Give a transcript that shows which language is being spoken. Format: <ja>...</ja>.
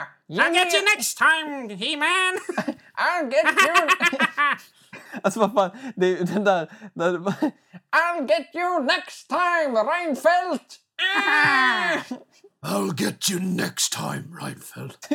<en>I'll get you next time, He-Man! I'll get you...</en> <sv>Alltså vad fan, det är den där, där...</sv> <en>I'll get you next time, Reinfeldt! I'll get you next time, Reinfeldt.</en>